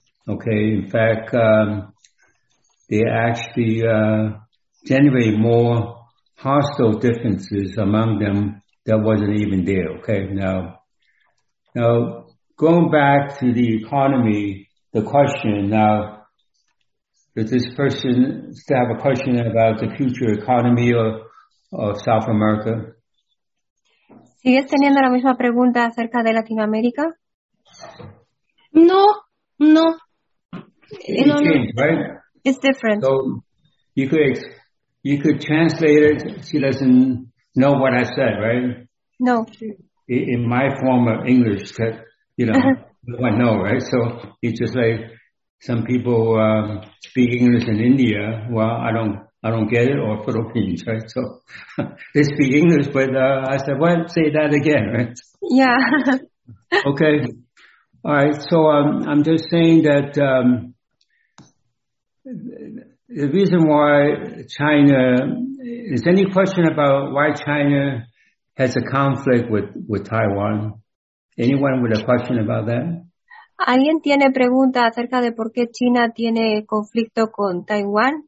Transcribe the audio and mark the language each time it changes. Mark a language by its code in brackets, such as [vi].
[en] Okay, in fact, they actually generate more hostile differences among them that wasn't even there. Okay, now going back to the economy, the question now, does this person still have a question about the future economy of South America? [es] ¿Sigues teniendo la misma pregunta acerca de Latinoamérica? No. [en] It changed, right? It's different. So you could translate it. She doesn't know what I said, right? No. In my form of English, that, you know, I know, right? So it's just like some people speak English in India. Well, I don't get it, or Philippines, right? So they speak English, but I said, well, say that again, right? Yeah. Okay. All right. So I'm just saying that the reason why China, is any question about why China has a conflict with Taiwan? Anyone with a question about that? [es] ¿Alguien tiene pregunta acerca de por qué China tiene conflicto con Taiwán?